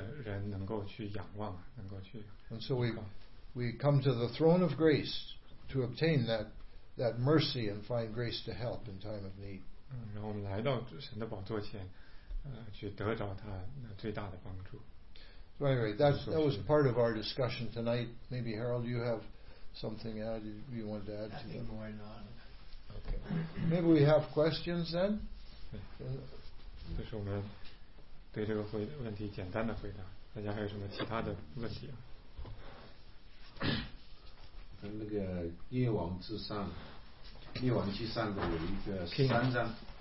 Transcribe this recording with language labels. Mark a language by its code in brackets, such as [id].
[zh] 所以我们没有其他的人能够去仰望，能够去。 [en] And so we come to the throne of grace to obtain that mercy and find grace to help in time of need. [zh] 然后我们来到神的宝座前，去得着他那最大的帮助。 [en] Anyway, that was part of our discussion tonight. Maybe Harold, you have something you wanted to add to that. Going on. Okay. Maybe we have questions then. [zh] 这是我们对这个问题简单的回答。大家还有什么其他的问题啊？那个《列王记上》的有一个13章。